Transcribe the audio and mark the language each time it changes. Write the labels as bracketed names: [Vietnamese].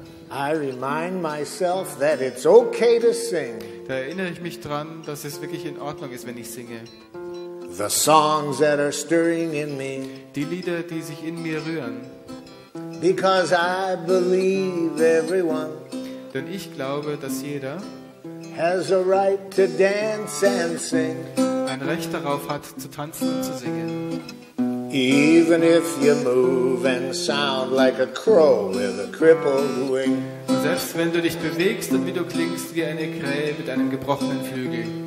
[English] I remind myself that it's okay to sing. [German] Da erinnere ich mich dran, dass es wirklich in Ordnung ist, wenn ich singe. [English] The songs that are stirring in me. [German] Die Lieder, die sich in mir rühren. [English] Because I believe everyone. [German] Denn ich glaube, dass jeder [English] has a right to dance and sing. [German] Ein Recht darauf hat, zu tanzen und zu singen. [English] Even if you move and sound like a crow with a crippled wing. [German] Selbst wenn du dich bewegst und wie du klingst wie eine Krähe mit einem gebrochenen Flügel.